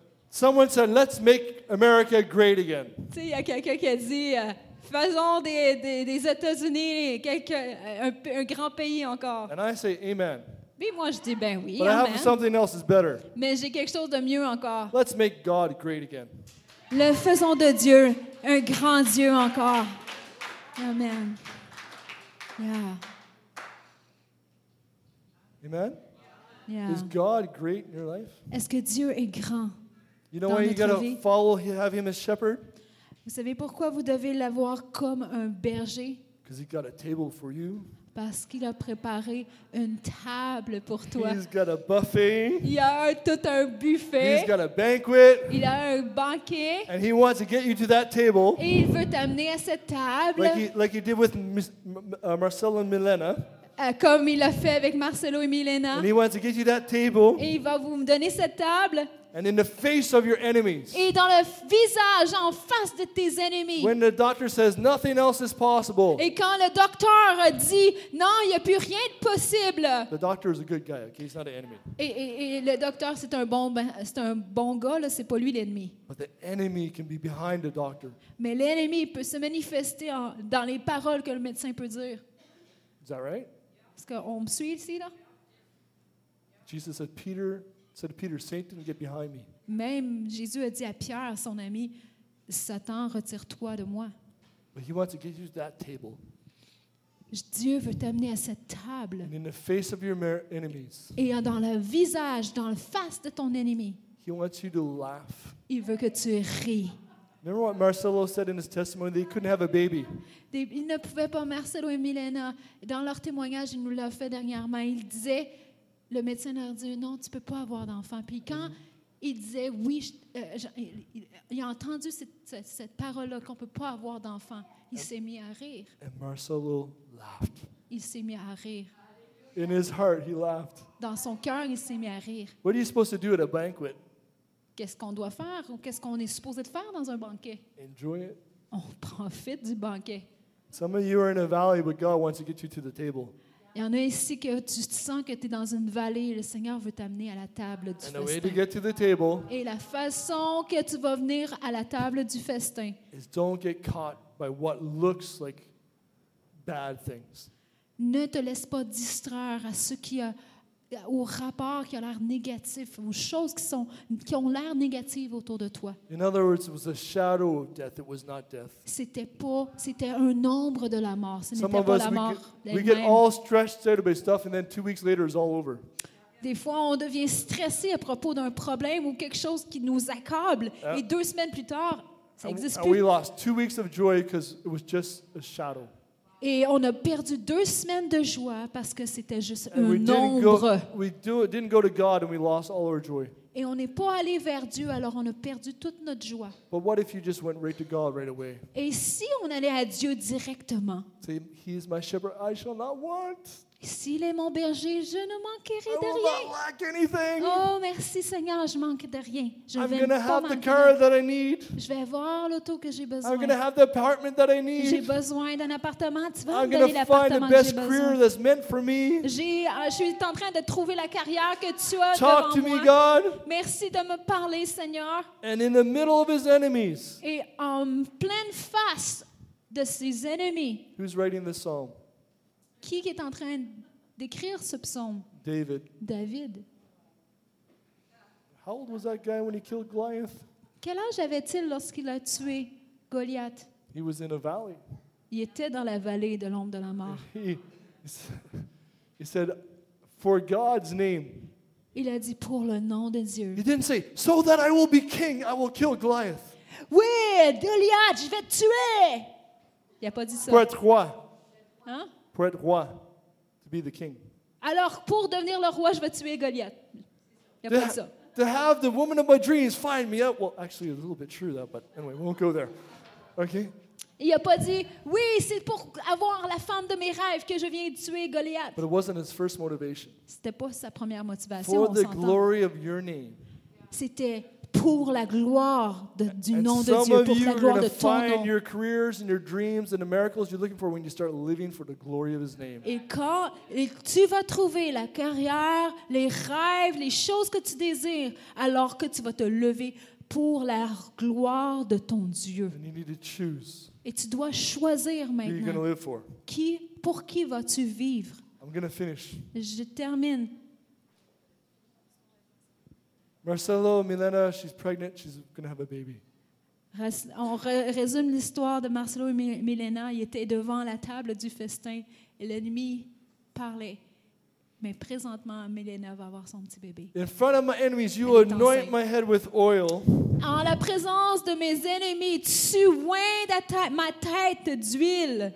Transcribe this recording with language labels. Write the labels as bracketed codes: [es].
[en] Someone said, let's make America great again. [fr] Tu sais, il y a quelqu'un qui a dit... Faisons des États-Unis un grand pays encore. [en] And I say amen. [fr] Puis moi je dis ben oui. [en] But amen. I have something else is better. [fr] Mais j'ai quelque chose de mieux encore. [en] Let's make God great again. [fr] Le faisons de Dieu un grand Dieu encore. [en] Amen. Yeah. Amen. Yeah. Is God great in your life? [fr] Est-ce que Dieu est grand? [en] You know why you gotta follow, have Him as shepherd? [fr] Vous savez pourquoi vous devez l'avoir comme un berger? [en] Because he got a table for you. [fr] Parce qu'il a préparé une table pour toi. [en] He's got a buffet. [fr] Il a tout un buffet. [en] He's got a banquet. [fr] Il a un banquet. [en] And he wants to get you to that table. [fr] Et il veut t'amener à cette table. [en] Like he did with Marcel and Milena. [fr] Comme il a fait avec Marcelo et Milena. [en] And he wants to get you that table. [fr] Et il va vous donner cette table. [en] And in the face of your enemies. [fr] Et dans le visage, en face de tes ennemis. [en] When the doctor says nothing else is possible. [fr] Et quand le docteur a dit non, il n'y a plus rien de possible. [en] The doctor is a good guy. Okay, he's not an enemy. [fr] Et le docteur c'est un bon gars là, c'est pas lui l'ennemi. [en] But the enemy can be behind the doctor. [fr] Mais l'ennemi peut se manifester dans les paroles que le médecin peut dire. [en] Is that right? [fr] Est-ce qu'on me suit ici là? [en] Jesus said, Peter. Said to Peter, Satan, get behind me. [fr] Même Jésus a dit à Pierre, son ami, Satan, retire-toi de moi. [en] But he wants to get you to that table. [fr] Dieu veut t'amener à cette table. [en] And in the face of your enemies. [fr] Et dans le visage, dans le face de ton ennemi. [en] He wants you to laugh. [fr] Il veut que tu ris. [en] Remember what Marcelo said in his testimony? They couldn't have a baby. [fr] Ils ne pouvaient pas, Marcelo et Milena, dans leur témoignage, ils nous l'ont fait dernièrement. Ils disaient. Le médecin leur dit non, tu peux pas avoir d'enfant. Puis quand il disait oui, il a entendu cette parole-là qu'on peut pas avoir d'enfant. Il s'est mis à rire. [en] And Marcelo laughed. [fr] Il s'est mis à rire. [en] In his heart, he laughed. [fr] Dans son cœur, il s'est mis à rire. [en] What are you supposed to do at a banquet? [fr] Qu'est-ce qu'on doit faire ou qu'est-ce qu'on est supposé de faire dans un banquet? [en] Enjoy it. [fr] On profite du banquet. [en] Some of you are in a valley, but God wants to get you to the table. [fr] Il y en a ici que tu sens que tu es dans une vallée et le Seigneur veut t'amener à la table du festin. [en] And the way to get to the table, [fr] et la façon que tu vas venir à la table du festin, [en] is don't get caught by what looks like bad things. [fr] Ne te laisse pas distraire à ce qui a aux rapports qui ont l'air négatifs, aux choses qui ont l'air négatives autour de toi. [en] In other words, it was a shadow of death. It was not death. [fr] C'était un ombre de la mort. Ce n'était pas la mort. [en] We get all stressed out about stuff, and then 2 weeks later, it's all over. [fr] Des fois, on devient stressé à propos d'un problème ou quelque chose qui nous accable, et 2 semaines plus tard, ça n'existe plus. [en] And we lost 2 weeks of joy because it was just a shadow. [fr] Et on a perdu 2 semaines de joie parce que c'était juste un ombre. [en] Didn't go to God and we lost all our joy. [fr] Et on n'est pas allé vers Dieu, alors on a perdu toute notre joie. [en] But what if you just went right to God right away? [fr] Et si on allait à Dieu directement? [en] Say, He is my shepherd, I shall not want. [fr] S'il est mon berger, je ne manquerai de rien. [en] I will not lack anything. [fr] Oh, merci Seigneur, je manque de rien. [en] I'm going to have the car that I need. [fr] Je vais avoir l'auto que j'ai besoin. [en] I'm going to have the apartment that I need. [fr] J'ai besoin d'un appartement. Tu vas [en] I'm [fr] me donner l'appartement que j'ai besoin. [en] I'm going to find the best career that's meant for me. [fr] Je suis en train de trouver la carrière que tu as [en] Talk [fr] devant moi. [en] Talk to me, God. [fr] Merci de me parler, Seigneur. [en] And in the middle of his enemies. [fr] Et en pleine face de ses ennemis. [en] Who's writing the psalm? [fr] Qui est en train d'écrire ce psaume? [en] David. [fr] David. [en] How old was that guy when he killed Goliath? [fr] Quel âge avait-il lorsqu'il a tué Goliath? [en] He was in a valley. [fr] Il était dans la vallée de l'ombre de la mort. [en] He said, "For God's name." [fr] Il a dit pour le nom de Dieu. [en] He didn't say, "So that I will be king, I will kill Goliath." [fr] Oui, Goliath, je vais te tuer. Il a pas dit ça. Pour être roi. Hein? Pour être roi, [en] to be the king. [fr] Alors, pour devenir le roi, je vais tuer Goliath. Il y a pas ça. [en] To have the woman of my dreams find me out. Well, actually, a little bit true that, but anyway, we won't go there. Okay? [fr] Il a pas dit, oui, c'est pour avoir la femme de mes rêves que je viens de tuer Goliath. [en] But it wasn't his first motivation. [fr] C'était pas sa première motivation. [en] For on the glory of your name. [fr] C'était pour la gloire de, du [en] and [fr] nom de Dieu, pour la gloire de ton nom. [en] Some of you are going to find your careers and your dreams and the miracles you're looking for when you start living for the glory of His name. [fr] Et quand et tu vas trouver la carrière, les rêves, les choses que tu désires, alors que tu vas te lever pour la gloire de ton Dieu. [en] And you need to choose. [fr] Et tu dois choisir maintenant. [en] Who are you going to live for? [fr] Qui, pour qui vas-tu vivre? [en] I'm going to finish. [fr] Je termine. [en] Marcelo, Milena, she's pregnant. She's going to have a baby. [fr] On résume l'histoire de Marcelo et Milena. Ils étaient devant la table du festin et l'ennemi parlait. Mais présentement, Milena va avoir son petit bébé. [en] In front of my enemies, you anoint my head with oil. [fr] En la présence de mes ennemis, tu oins ma tête d'huile.